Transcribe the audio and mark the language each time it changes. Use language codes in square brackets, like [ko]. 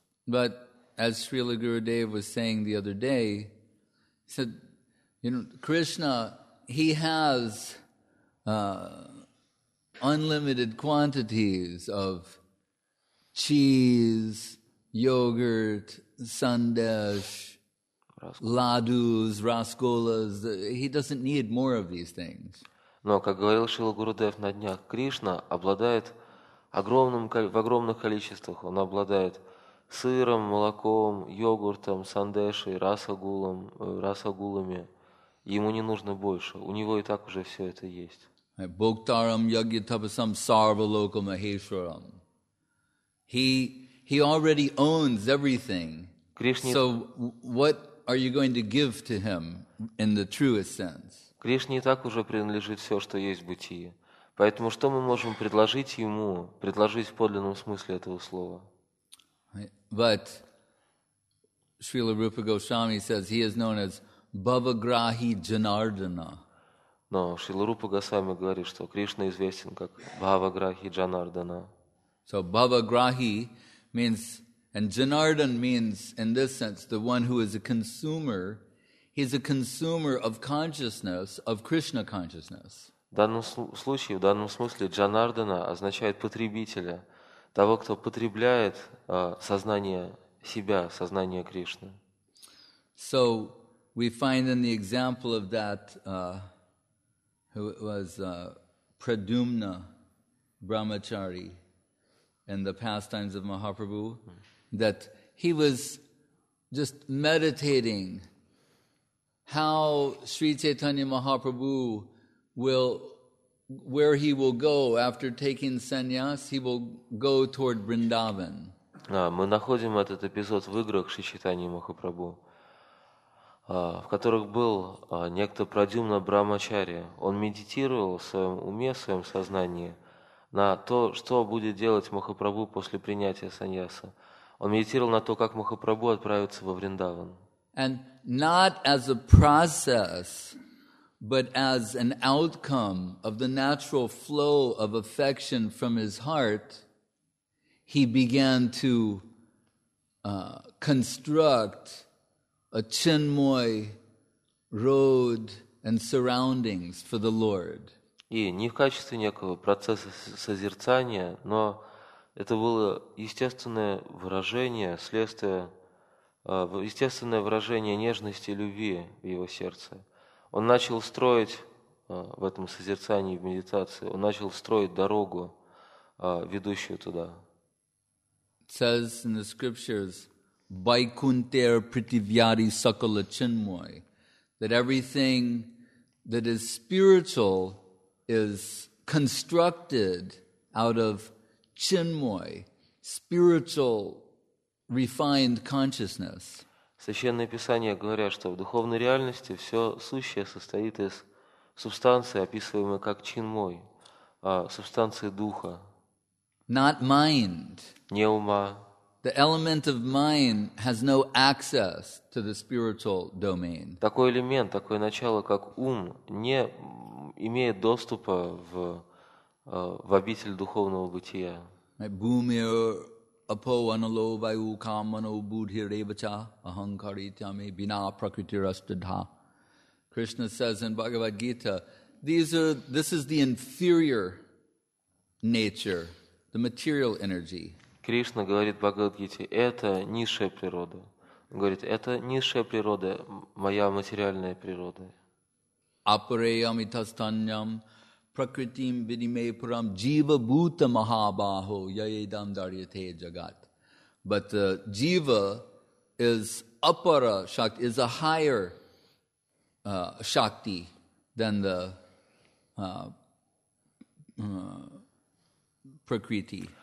[en] But as Srila Gurudev was saying the other day, he said, you know, Krishna, he has unlimited quantities of cheese, yogurt, sandesh, ladus, rasgullas. He doesn't need more of these things. [ru] Но, как говорил Шрила Гурудев на днях, Кришна обладает в огромных количествах. Он обладает сыром, молоком, йогуртом, сандешей, расагулами. Ему не нужно больше. У него и так уже все это есть. [sa] Bhoktaram yagyatapasam sarvaloka maheshwaram. [en] He already owns everything. Krishna, so what are you going to give to him in the truest sense? [ru] Кришне так уже принадлежит все, что есть в бытии. Поэтому что мы можем предложить ему, предложить в подлинном смысле этого слова? [en] But Srila Rupa Goswami says he is known as Bhavagrahi Janardana. [ru] Но Шрила Рупа Госвами говорит, что Кришна известен как Бхаваграхи Джанардана. [en] So Бхаваграхи means, and Джанардан means in this sense, the one who is a consumer. He's a consumer of consciousness, of Krishna consciousness. [ru] В данном случае, в данном смысле Джанардана означает потребителя, того, кто потребляет сознание себя, сознание Кришны. [en] So we find in the example of that who was Pradyumna Brahmachari in the pastimes of Mahaprabhu, that he was just meditating how Sri Chaitanya Mahaprabhu will, where he will go after taking sannyas, he will go toward Vrindavan. [ru] Мы находим этот эпизод в играх Шри Чайтаньи Махапрабху, в которых был некто Прадюмна Брамачари. Он медитировал в своем уме, в своем сознании на то, что будет делать Махапрабху после принятия саньяса. Он медитировал на то, как Махапрабху отправится во Вриндаван. [en] And not as a process, but as an outcome of the natural flow of affection from his heart, he began to construct a chinmoy road and surroundings for the Lord. [ru] И не в качестве некого процесса созерцания, но это было естественное выражение, следствие, естественное выражение нежности и любви в его сердце. Он начал строить в этом созерцании, в медитации, он начал строить дорогу, ведущую туда. [en] It says in the scriptures, [bn] Vaikunter prithivyari sakala chinmoy, [en] that everything that is spiritual is constructed out of chinmoy, spiritual refined consciousness. [ru] Священные писания говорят, что в духовной реальности все сущее состоит из субстанции, описываемой как чинмой, субстанции духа. [en] Not mind. [ru] Не ума. [en] The element of mind has no access to the spiritual domain. [ru] Такой элемент, такое начало, как ум, не имеет доступа в обитель духовного бытия. [sa] Бумир апо анало вайу камано будхи ревача ахамкаритями бина пракритирастадха. [en] Krishna says in Bhagavad Gita, this is the inferior nature, the material energy. [ru] Кришна говорит Бхагавад-гите, это низшая природа. Он говорит, это низшая природа, моя материальная природа. [sa] Апареям итастаньям пракритим видимей парам джива бута махабахо яедам дарьяте джагат. [en] But jiva is apara shakti, is a higher shakti than the prakriti.